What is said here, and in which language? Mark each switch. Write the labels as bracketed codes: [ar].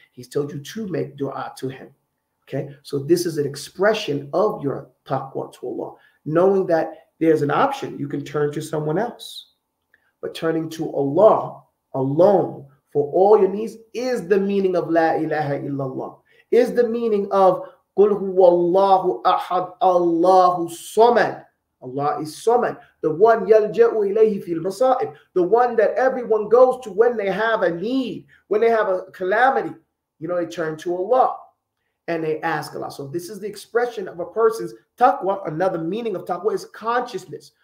[en] He's told you to make dua to Him. Okay? So this is an expression of your taqwa to Allah. Knowing that there's an option. You can turn to someone else. But turning to Allah alone for all your needs is the meaning of La ilaha illallah. [ar] Is the meaning of قُلْ هُوَ اللَّهُ أَحَدْ اللَّهُ صَمَدْ. [en] Allah is Samad, the one yalja'u ilayhi fil masa'ib, the one that everyone goes to when they have a need, when they have a calamity, you know, they turn to Allah and they ask Allah. So this is the expression of a person's taqwa. Another meaning of taqwa is consciousness.